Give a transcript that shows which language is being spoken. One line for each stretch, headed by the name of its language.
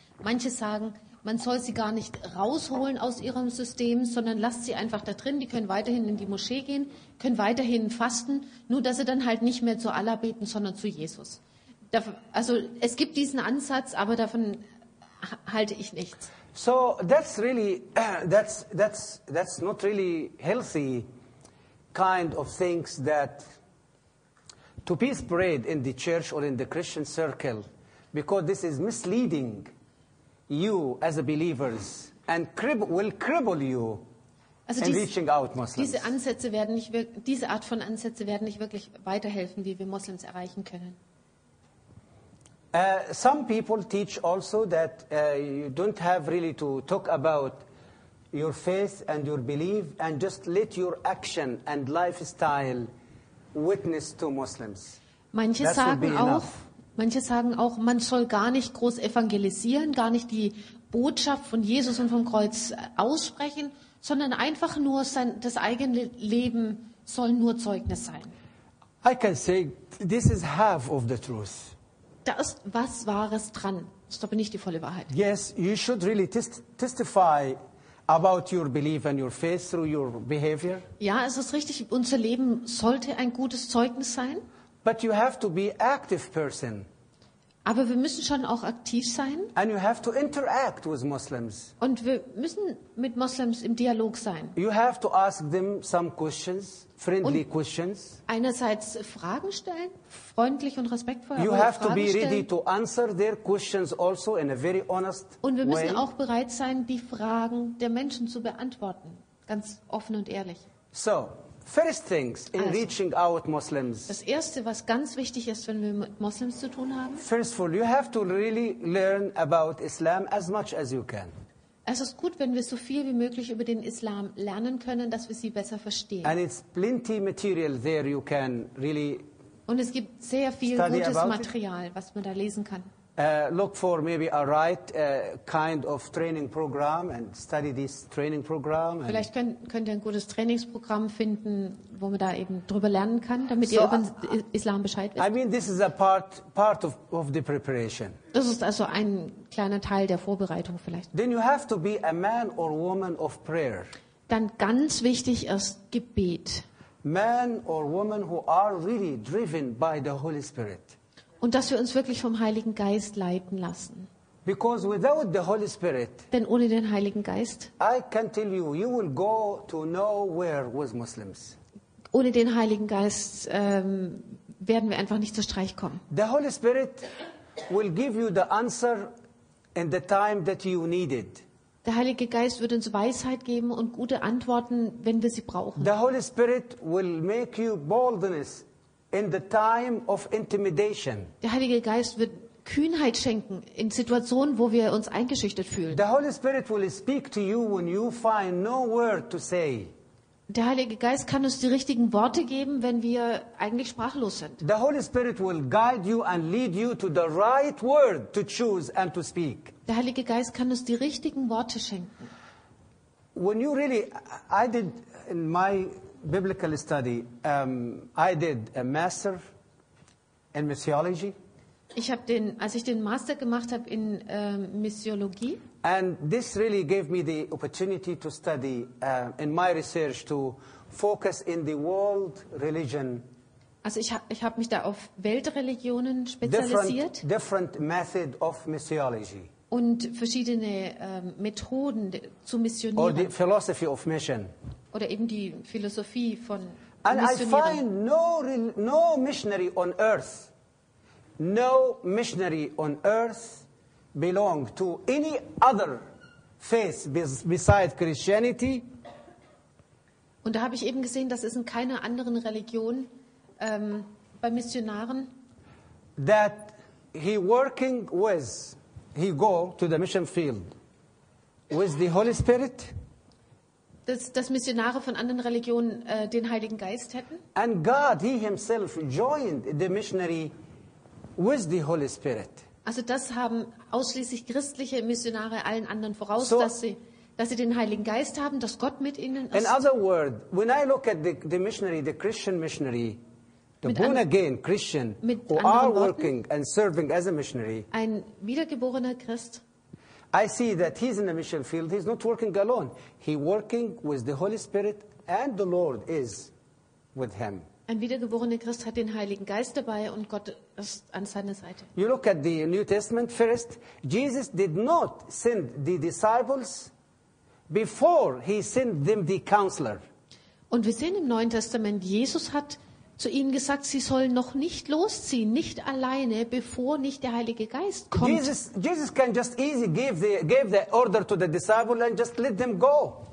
German: Manche sagen, man soll sie gar nicht rausholen aus ihrem System, sondern lasst sie einfach da drin. Die können weiterhin in die Moschee gehen, können weiterhin fasten, nur dass sie dann halt nicht mehr zu Allah beten, sondern zu Jesus. Also es gibt diesen Ansatz, aber davon halte ich nichts.
English: So that's really that's not really healthy kind of things that to be spread in the church or in the Christian circle, because this is misleading you as a believers and will cripple you in reaching out Muslims.
German: Diese Art von Ansätze werden nicht wirklich weiterhelfen, wie wir Muslims erreichen können.
English: Some people teach also that you don't have really to talk about your faith and your belief and just let your action and lifestyle witness to Muslims.
German: Manche sagen auch, man soll gar nicht groß evangelisieren, gar nicht die Botschaft von Jesus und vom Kreuz aussprechen, sondern einfach nur das eigene Leben soll nur Zeugnis sein.
English: I can say this is half of the truth.
German: Da ist was Wahres dran. Das ist aber nicht die volle Wahrheit.
English: Yes, you should really testify about your belief and your faith through your behavior.
German: Ja, es ist richtig. Unser Leben sollte ein gutes Zeugnis sein.
English: But you have to be active person.
German: Aber wir müssen schon auch aktiv sein.
English: And you have to interact with Muslims.
German: Und wir müssen mit Muslims im Dialog sein.
English: You have to ask them some questions, friendly
German: und
English: questions.
German: Einerseits Fragen stellen, freundlich und respektvoll.
English: You have
German: Fragen
English: to be ready
German: stellen.
English: To answer their questions also in a very honest way.
German: Und wir müssen
English: way.
German: Auch bereit sein, die Fragen der Menschen zu beantworten, ganz offen und ehrlich.
English: So, First things in also, reaching out Muslims.
German: Das erste, was ganz wichtig ist, wenn wir mit Muslims zu tun haben.
English: First of all, you have to really learn about Islam as much as you can.
German: Es ist gut, wenn wir so viel wie möglich über den Islam lernen können, dass wir sie besser verstehen.
English: And it's plenty material there you can really.
German: Und es gibt sehr viel gutes Material, was man da lesen kann.
English: Look for maybe a right kind of training program and study this training program.
German: Vielleicht könnt ihr ein gutes Trainingsprogramm finden, wo man da eben drüber lernen kann, damit ihr über Islam Bescheid wisst.
English: I mean, this is a part of the preparation.
German: Das ist also ein kleiner Teil der Vorbereitung vielleicht.
English: Then you have to be a man or woman of prayer.
German: Dann ganz wichtig ist Gebet.
English: Man or woman who are really driven by the Holy Spirit.
German: Und dass wir uns wirklich vom Heiligen Geist leiten lassen.
English: Because without the Holy Spirit,
German: denn ohne den Heiligen Geist,
English: I can tell you, you will go to nowhere with Muslims.
German: Ohne den Heiligen Geist werden wir einfach nicht zu Streich kommen.
English: The Holy Spirit will give you the answer in the time that you need it.
German: Der Heilige Geist wird uns Weisheit geben und gute Antworten, wenn wir sie brauchen.
English: The Holy Spirit will make you boldness. In the time of intimidation.
German: Der Heilige Geist wird Kühnheit schenken in Situationen, wo wir uns eingeschüchtert fühlen.
English: The Holy Spirit will speak to you when you find no word to say.
German: Der Heilige Geist kann uns die richtigen Worte geben, wenn wir eigentlich sprachlos sind.
English: The Holy Spirit will guide you and lead you to the right word to choose and to speak.
German: Der Heilige Geist kann uns die richtigen Worte schenken.
English: When you really, I did in my biblical study. I did a master in missiology.
German: Ich habe den, als ich den Master gemacht habe in Missiologie.
English: And this really gave me the opportunity to study in my research to focus in the world religion.
German: Also ich habe mich da auf Weltreligionen spezialisiert.
English: Different method of missiology.
German: Und verschiedene Methoden zu missionieren.
English: Or the philosophy of mission.
German: Oder eben die Philosophie von Missionieren.
English: I find no missionary on earth, no missionary on earth belong to any other faith besides Christianity.
German: Und da habe ich eben gesehen, dass es in keiner anderen Religion bei Missionaren
English: that he working with, he go to the mission field with the Holy Spirit.
German: Dass Missionare von anderen Religionen den Heiligen Geist hätten.
English: And God, he himself joined the missionary with the Holy Spirit.
German: Also das haben ausschließlich christliche Missionare allen anderen voraus, so, dass sie den Heiligen Geist haben, dass Gott mit ihnen ist.
English: In other words, when I look at the missionary, the Christian missionary, the born again Christian, who are working and serving as a missionary,
German: ein wiedergeborener Christ,
English: I see that he's in the mission field. He's not working alone. He's working with the Holy Spirit, and the Lord is with him.
German: Ein wiedergeborener Christ hat den Heiligen Geist dabei, und Gott ist an seiner Seite.
English: You look at the New Testament first. Jesus did not send the disciples before he sent them the counselor.
German: Und wir sehen im Neuen Testament, Jesus hat zu ihnen gesagt, sie sollen noch nicht losziehen, nicht alleine, bevor nicht der Heilige Geist kommt.
English: Jesus can just easy give the order to the disciple and just let them go.